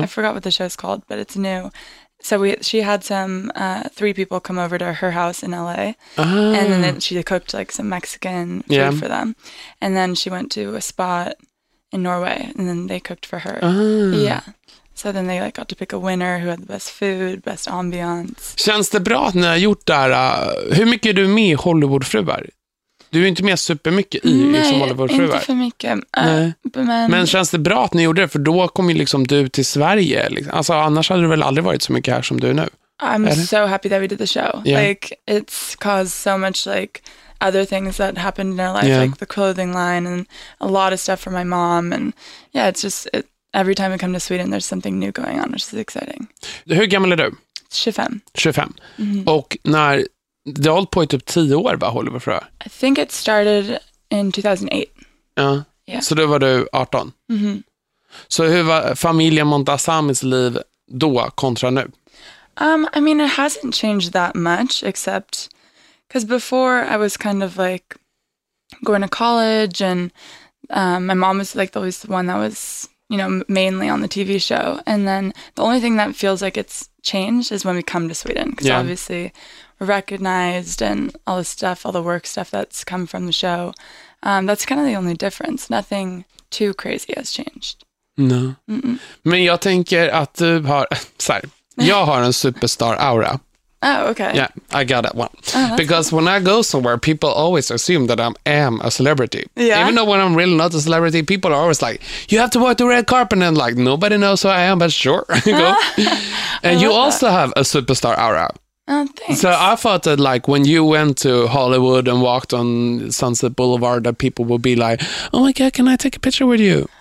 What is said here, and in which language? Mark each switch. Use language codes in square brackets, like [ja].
[en] I forgot what the show's called, but it's new. So she had some three people come over to her house in LA. Oh. And then she cooked like some Mexican food yeah. for them. And then she went to a spot in Norway and then they cooked for her. Oh. Yeah. So then they like got to pick a winner who had the best food, best ambiance. [sv] Känns det bra att ni har gjort det här? Hur mycket är du med Hollywoodfruar? Du är inte med supermycket i Nej, som Hollywoodfruar. Nej, inte för mycket. Men känns det bra att ni gjorde det? För då kom ju liksom du till Sverige. Liksom. Alltså, annars hade du väl aldrig varit så mycket här som du är nu. [en] I'm är so happy that we did the show. Yeah. Like, it's caused so much like other things that happened in our life. Yeah. Like the clothing line and a lot of stuff for my mom. And yeah, it's just... Every time I come to Sweden there's something new going on, which is exciting. [sv] Hur gammal är du? 25. 25. Mm-hmm. Och när, det har hållit på i typ 10 år, va, Hollywoodfrö? [en] I think it started in 2008. [sv] Ja, yeah. Så då var du 18. Mm-hmm. Så hur var familjen Montazamis liv då kontra nu? [en] I mean, it hasn't changed that much, except... Because before I was kind of like going to college and my mom was like always the one that was... You know, mainly on the TV show. And then the only thing that feels like it's changed is when we come to Sweden. Because yeah. obviously we're recognized and all the stuff, all the work stuff that's come from the show. That's kind of the only difference. Nothing too crazy has changed. No. Mm-mm. [sv] Men jag tänker att du har... Sorry. Jag har en superstar aura. [en] Oh, okay. Yeah, I got that one. Oh, because cool. when I go somewhere, people always assume that I am a celebrity. Yeah. Even though when I'm really not a celebrity, people are always like, you have to walk the red carpet. And I'm like, nobody knows who I am, but sure. And you also that. Have a superstar aura. Oh, thanks. So I thought that like when you went to Hollywood and walked on Sunset Boulevard, that people would be like, oh my God, can I take a picture with you?